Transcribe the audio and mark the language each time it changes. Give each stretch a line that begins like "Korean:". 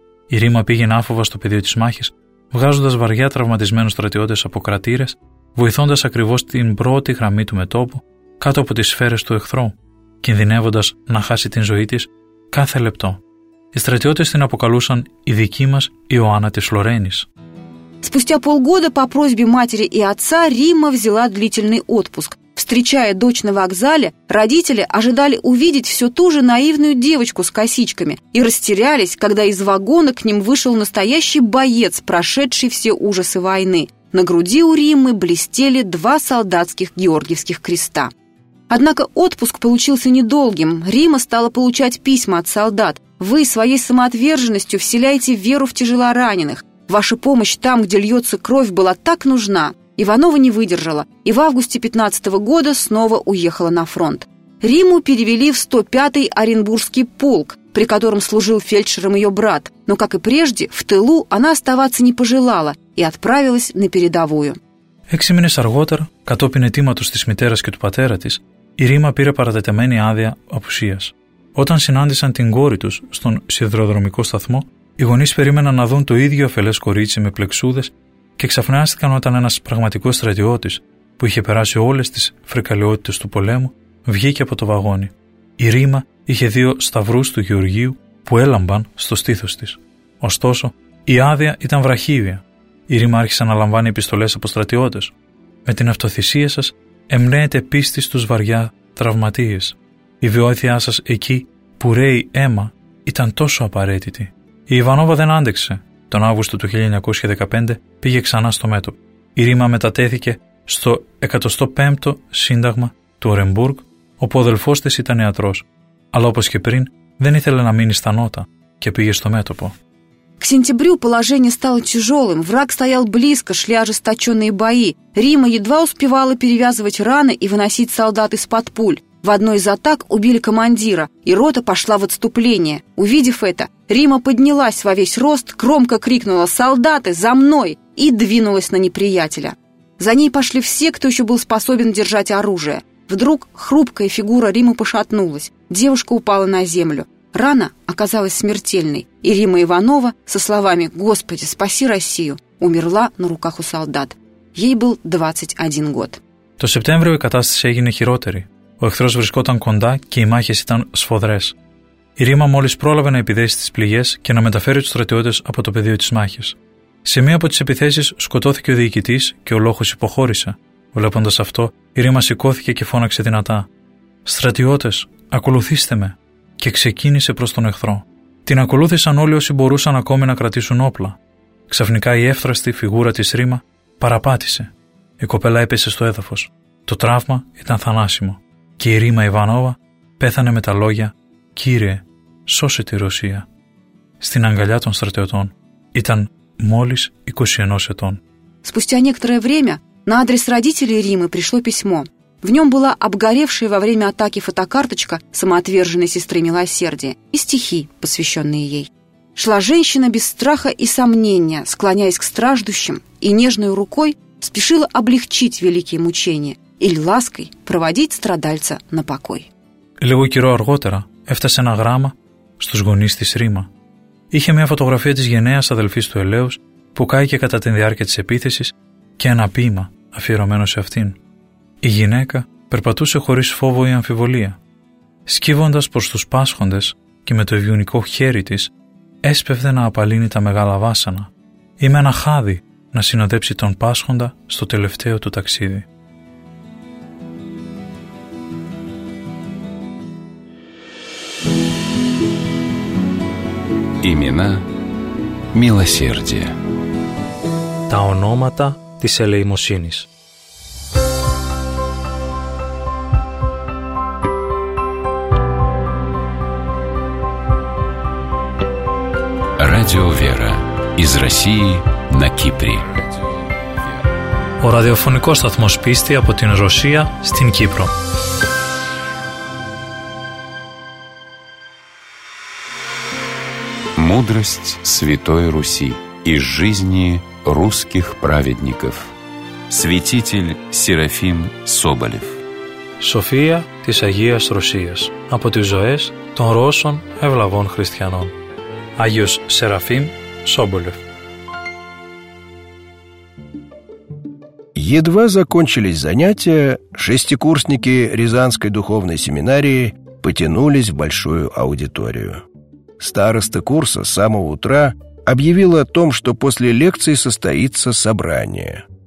Greek: Η Ρήμα πήγαινε άφοβα στο πεδίο της μάχης, βγάζοντας βαριά τραυματισμένους στρατιώτες από κρατήρες, βοηθώντας ακριβώς την πρώτη γραμμή του μετόπου, κάτω από τις σφαίρες του εχθρού, κινδυνεύοντας να χάσει την ζωή της κάθε λεπτό. Οι στρατιώτες την αποκαλούσαν «η δική μας Ιωάννα της Λορένης».
Russian: Спустя полгода по просьбе матери и отца Римма взяла длительный отпуск. Встречая дочь на вокзале, родители ожидали увидеть все ту же наивную девочку с косичками и растерялись, когда из вагона к ним вышел настоящий боец, прошедший все ужасы войны. На груди у Риммы блестели 2 солдатских георгиевских креста. Однако отпуск получился недолгим. Римма стала получать письма от солдат. «Вы своей самоотверженностью вселяете веру в тяжелораненых. Ваша помощь там, где льется кровь, была так нужна». Иванова не выдержала и в августе 15 года снова уехала на фронт. Риму перевели в 105-й Оренбургский полк, при котором служил фельдшером ее брат. Но, как и прежде, в тылу она оставаться не пожелала и отправилась на передовую.
Greek: 6 месяцев аргότερα, κατόπιν αιτήματος της μητέρας και του πατέρα της, η Ρήμα πήρε παρατεταμένη άδεια απουσίας. Όταν συνάντησαν την κόρη τους στον σιδηροδρομικό σταθμό, οι γονείς περίμεναν να δουν το ίδιο αφελές κορίτσι με πλεξούδες και ξαφνιάστηκαν όταν ένας πραγματικός στρατιώτης, που είχε περάσει όλες τις φρικαλαιότητες του πολέμου, βγήκε από το βαγόνι. Η Ρήμα είχε 2 σταυρούς του Γεωργίου που έλαμπαν στο στήθος της. Ωστόσο, η άδεια ήταν βραχίδια. Η Ρήμα άρχισε να λαμβάνει επιστολές από στρατιώτες. «Με την αυτοθυσία σας εμπνέετε πίστη στους βαριά τραυματίες». η βοήθειά σας εκεί που ρέει αίμα ήταν τόσο απαραίτητη. Η Ιβανόβα δεν άντεξε. Τον Αύγουστο του 1915 πήγε ξανά στο μέτωπο. Η Ρήμα μετατέθηκε στο 105ο Σύνταγμα του Ορεμπούργκ, όπου ο αδελφός της ήταν ιατρός. Αλλά όπως και πριν, δεν ήθελε να μείνει στα νότα και πήγε στο μέτωπο.
Russian: К сентябрю положение стало тяжелым, враг стоял близко, шли ожесточенные бои. Рима едва успевала перевязывать раны и выносить солдат из-под пуль. В одной из атак убили командира, и рота пошла в отступление. Увидев это, Рима поднялась во весь рост, громко крикнула «Солдаты, за мной!» и двинулась на неприятеля. За ней пошли все, кто еще был способен держать оружие. Вдруг хрупкая фигура Римы пошатнулась, девушка упала на землю. Рана оказалась смертельной, и Рима Иванова со словами «Господи, спаси Россию!» умерла на руках у солдат. Ей был 21 год.
Greek: Το Σεπτέμβριο η κατάσταση έγινε χειρότερη. Ο εχθρός βρισκόταν κοντά και οι μάχες ήταν σφοδρές. Η Ρήμα μόλις πρόλαβε να επιδέσει τις πληγές και να μεταφέρει τους στρατιώτες από το πεδίο της μάχης. Σε μία από τις επιθέσεις σκοτώθηκε ο διοικητής και ο λόχος υποχώρησε. Βλέποντας αυτό, η Ρήμα σηκώθηκε και φώναξε δυνατά. «Στρατιώτες, ακολουθήστε με!» και ξεκίνησε προς τον εχθρό. Την ακολούθησαν όλοι όσοι μπορούσαν ακόμη να κρατήσουν όπλα. Ξαφνικά η εύθραστη φιγούρα της Ρήμα παραπάτησε. Η κοπέλα έπεσε στο έδαφος. Το τραύμα ήταν θανάσιμο. Και η Ρήμα Ιβανόβα πέθανε με τα λόγια «Κύριε, σώσε τη Ρωσία». Στην αγκαλιά των στρατιωτών ήταν μόλις 21 ετών.
Russian: Спустя некоторое время на адрес родителей Римы пришло письмо. В нем была обгоревшая во время атаки фотокарточка самоотверженной сестры Милосердия и стихи, посвященные ей. Шла женщина без страха и сомнения, склоняясь к страждущим, и нежной рукой спешила облегчить великие мучения или лаской проводить страдальца на покой.
Greek: Λίγο καιρό αργότερα έφτασε ένα γράμμα στους γονείς της Ρήμα. Είχε μια φωτογραφία της γενναίας αδελφής του Ελέους που κάηκε κατά τη διάρκεια της επίθεσης και ένα ποίημα αφιερωμένο σε αυτήν. Η γυναίκα περπατούσε χωρίς φόβο ή αμφιβολία. Σκύβοντας προς τους πάσχοντες και με το ευγενικό χέρι της, έσπευδε να απαλύνει τα μεγάλα βάσανα ή με ένα χάδι να συνοδέψει τον πάσχοντα στο τελευταίο του ταξίδι.
Russian: Ημινά Μιλοσέρδια.
Greek: Τα ονόματα της ελεημοσύνης.
Russian: Радио Вера из России на Кипре.
Greek: Ο ραδιοφωνικός σταθμός πίστη από την Ρωσία στην Κύπρο.
Russian: Мудрость Святой Руси из жизни русских праведников. Святитель Серафим Соболев.
Greek: Σοφία της Αγίας Ρωσίας από τις ζωές των Ρώσων ευλαβών χριστιανών. Άγιος Σεραφείμ Σόμπολεφ.
Russian: Едва закончились занятия, шестикурсники Рязанской духовной семинарии потянулись в большую аудиторию. Староста курса с самого утра объявила о том, что после лекции состоится собрание.